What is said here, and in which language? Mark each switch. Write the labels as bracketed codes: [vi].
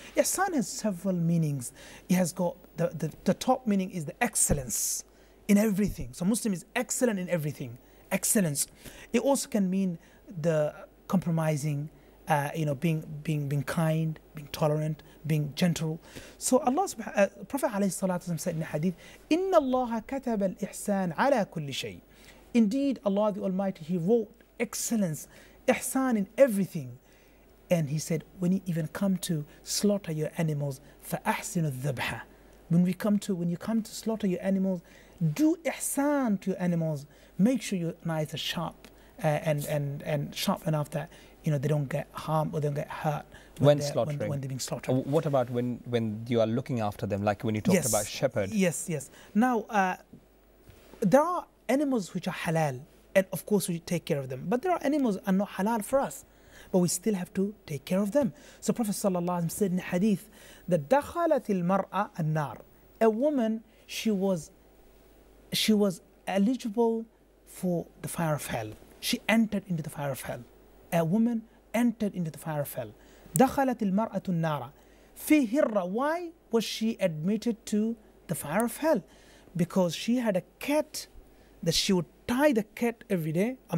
[en] Ihsan has several meanings. It has got the top meaning is the excellence in everything. So Muslim is excellent in everything. Excellence. It also can mean the compromising. Being kind, being tolerant, being gentle. So Allah Prophet [ar] عليه الصلاة والسلام [en] said in the hadith, [ar] إن الله كتب الإحسان على كل شيء. [en] Indeed, Allah the Almighty, He wrote excellence, ihsan in everything. And He said, when you even come to slaughter your animals, [ar] فَأَحْسِنُ الذَّبْحَ. [en] When you come to slaughter your animals, do ihsan to your animals. Make sure your knives are sharp and sharp enough that they don't get harmed or they don't get hurt when they're being slaughtered. What about when you are looking after them, like when you talked about shepherd? Yes, yes. Now, there are animals which are halal, and of course we take care of them. But there are animals that are not halal for us, but we still have to take care of them. So Prophet Sallallahu Alaihi Wasallam said in the hadith, that [ar] دَخَلَتِ الْمَرْأَ النَّارِ. [en] A woman, she was eligible for the fire of hell. She entered into the fire of hell. A woman entered into the fire of hell. [ar] دخلت المرأة النار في هرة. [en] Why was she admitted to the fire of hell? Because she had a cat that she would tie the cat every day.